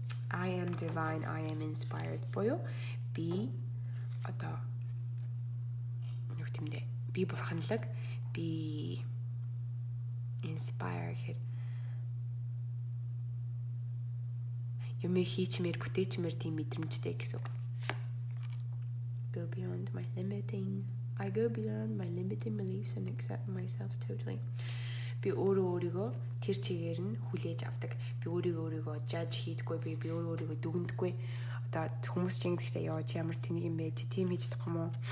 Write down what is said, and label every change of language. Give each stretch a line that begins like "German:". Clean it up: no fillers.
English: I am divine, I am inspired
Mongolian: буюу би одоо юу гэмдэ? Би бурханлаг, би inspire хэр юм хийчмээр бүтээчмээр тийм мэдрэмжтэй гэсэн үг.
English: Go beyond my limiting. I go beyond my limiting beliefs and accept myself totally.
Mongolian: Би өөрийгөө тэр чигээр нь хүлээж авдаг. Би өөрийгөө judge хийдэггүй, би өөрийгөө дүгнэдэггүй. Одоо хүмүүс ч ингэдэгтэй яа, чи ямар тэнэг юм бэ? Чи тийм хийж чадах юм уу?